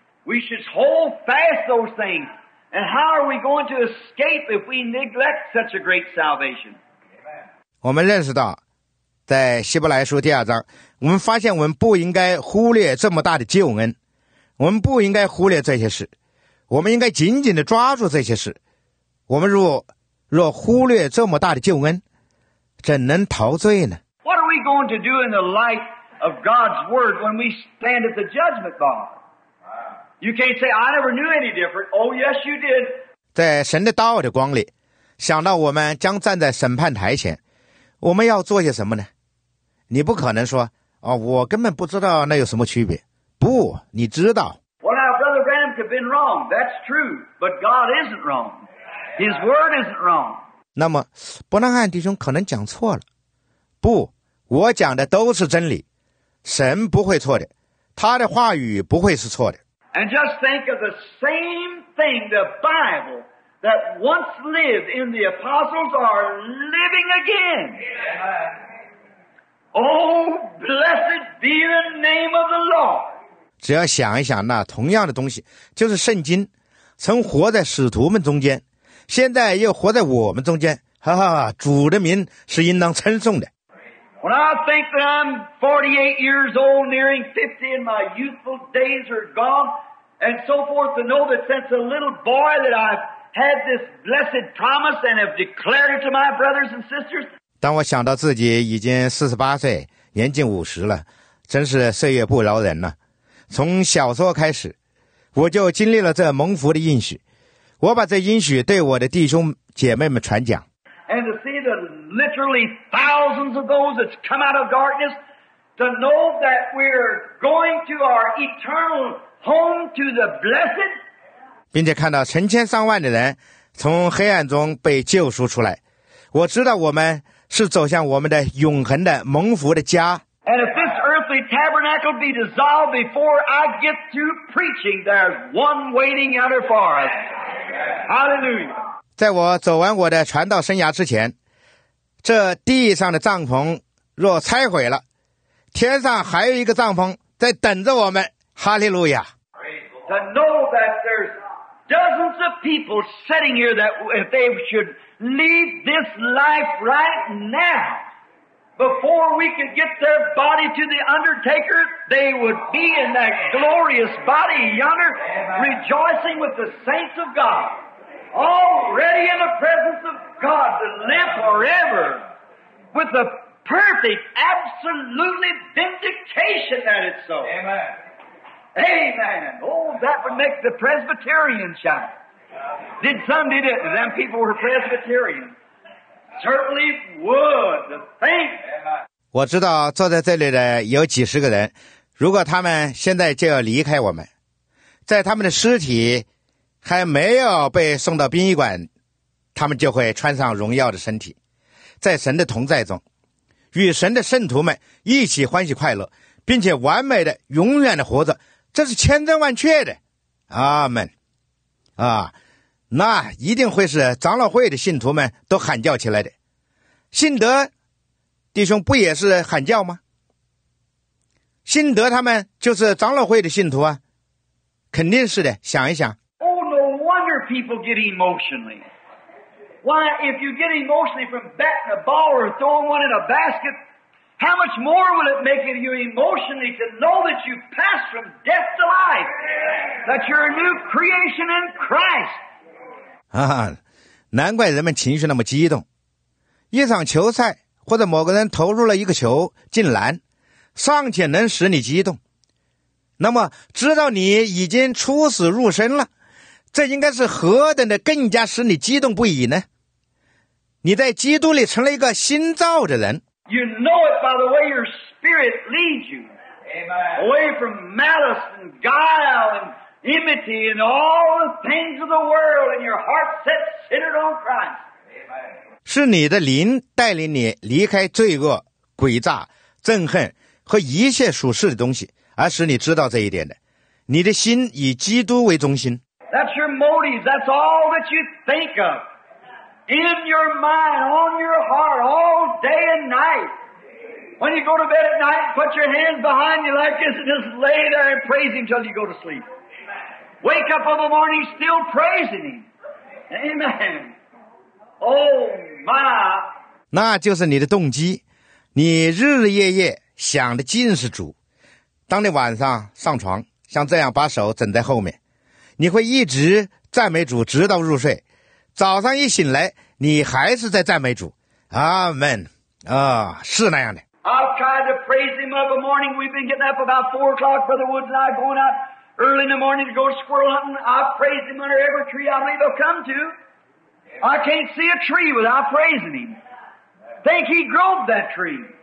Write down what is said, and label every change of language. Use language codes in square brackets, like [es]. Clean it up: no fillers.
[en] We should hold fast those things. And how are we going to escape if we neglect such a great salvation? [zh] 我们认识到在希伯来书第二章，我们发现我们不应该忽略这么大的救恩，我们不应该忽略这些事，我们应该紧紧地抓住这些事。我们若忽略这么大的救恩，怎能陶醉呢？ [en] What are we going to do in the light of God's word when we stand at the judgment bar? You can't say, I never knew any different. Oh, yes, you did. [zh] 在神的道的光里，想到我们将站在审判台前，我们要做些什么呢？你不可能说，哦，我根本不知道那有什么区别。不，你知道。 [en] Well, now, Brother Graham could have been wrong. That's true. But God isn't wrong. His word isn't wrong. [zh] 那么伯南汉弟兄可能讲错了。不，我讲的都是真理。神不会错的。他的话语不会是错的。 [en] And just think of the same thing, the Bible, that once lived in the apostles are living again. Oh, blessed be the name of the Lord. [zh] 只要想一想那同样的东西，就是圣经曾活在使徒们中间。现在又活在我们中间，哈哈，主的名是应当称颂的。 [en] When I think that I'm 48 years old, nearing 50, and my youthful days are gone, and so forth, to know that since a little boy that I've had this blessed promise and have declared it to my brothers and sisters. [zh] 当我想到自己已经48岁，年近50了，真是岁月不饶人了。从小时候开始，我就经历了这蒙福的应许。我把这应许对我的弟兄姐妹们传讲。 [en] And to see the literally thousands of those that's come out of darkness, to know that we're going to our eternal home to the blessed. [zh] 并且看到成千上万的人从黑暗中被救赎出来，我知道我们是走向我们的永恒的蒙福的家。 [en] And if this earthly tabernacle be dissolved before I get through preaching, there's one waiting out there for us. Hallelujah. [zh] 在我走完我的传道生涯之前，这地上的帐篷若拆毁了，天上还有一个帐篷在等着我们。哈利路亚。 [en] To know that there's dozens of people sitting here that if they should leave this life right now,Before we could get their body to the undertaker, they would be in that glorious body yonder, rejoicing with the saints of God, already in the presence of God to live forever with the perfect, absolutely vindication that it's so. Amen. Amen. Oh, that would make the Presbyterians shine. Did some did it? Them people were Presbyterians. Certainly would. Thank you. [zh] 我知道坐在这里的有几十个人，如果他们现在就要离开我们，在他们的尸体还没有被送到殡仪馆，他们就会穿上荣耀的身体，在神的同在中，与神的圣徒们一起欢喜快乐，并且完美的永远的活着，这是千真万确的。阿们。啊。那一定会是长老会的信徒们都喊叫起来的。信德弟兄不也是喊叫吗？信德他们就是长老会的信徒啊，肯定是的。想一想。 [en] Oh, no wonder people get emotionally. Why, if you get emotionally from batting a ball or throwing one in a basket, how much more will it make you emotionally to know that you passed from death to life, that you're a new creation in Christ? [zh] 啊，难怪人们情绪那么激动。一场球赛或者某个人投入了一个球进篮，尚且能使你激动，那么知道你已经出死入生了，这应该是何等的更加使你激动不已呢？你在基督里成了一个新造的人。 [en] You know it by the way your spirit leads you. Amen. Away from malice and guile and... Enmity in all the things of the world, and your heart set centered on Christ. Amen. [zh] 是你的灵带领你离开罪恶、诡诈、憎恨和一切属世的东西，而使你知道这一点的。你的心以基督为中心。 [en] That's your motive. That's all that you think of in your mind, on your heart, all day and night. When you go to bed at night, put your hands behind you like this and just lay there and praise Him till you go to sleep. Wake up in the morning still praising him. Amen. Oh, my. [zh] 那就是你的动机。你日日夜夜想的尽是主。当你晚上上床像这样把手枕在后面，你会一直赞美主直到入睡。早上一醒来你还是在赞美主。 Amen. 啊、哦、是那样的。 [en] I've tried to praise him of the morning. We've been getting up about 4 o'clock for the woods and I'm going outEarly in the morning to go squirrel hunting, I praise him under every tree I believe he'll come to. I can't see a tree without praising him. Think he drove that tree.